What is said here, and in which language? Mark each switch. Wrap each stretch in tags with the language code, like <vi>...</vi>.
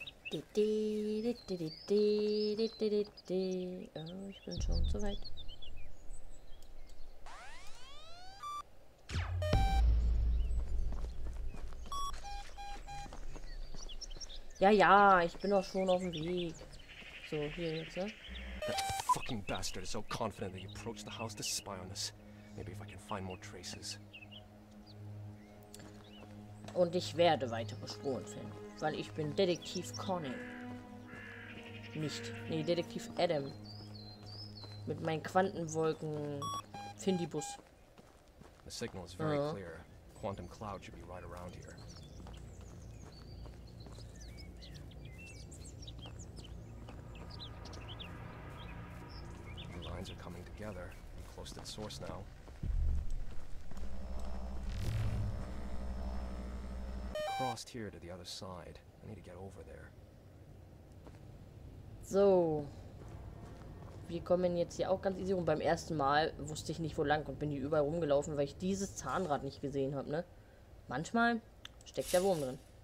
<de>Oh, ich bin schon zu weit. Ja, ich bin doch schon auf dem Weg. So, hier jetzt, ne?</de> <en>That fucking bastard is so confident that he approached the house to spy on us. Maybe if I can find more traces.</en> <de>Und ich werde weitere Spuren finden. Weil ich bin Detektiv Conny. Nicht. Nee, Detektiv Adam. Mit meinen Quantenwolken. Findibus.</de> <en>The signal is very clear. Quantum Cloud should be right around here. The lines are coming together. I'm close to the source now. Crossed here to the other side. I need to get over there.</en> <de>So. Wir kommen jetzt hier auch ganz easy rum. Beim ersten Mal wusste ich nicht, wo lang und bin hier überall rumgelaufen, weil ich dieses Zahnrad nicht gesehen habe, ne? Manchmal steckt der Wurm drin.</de>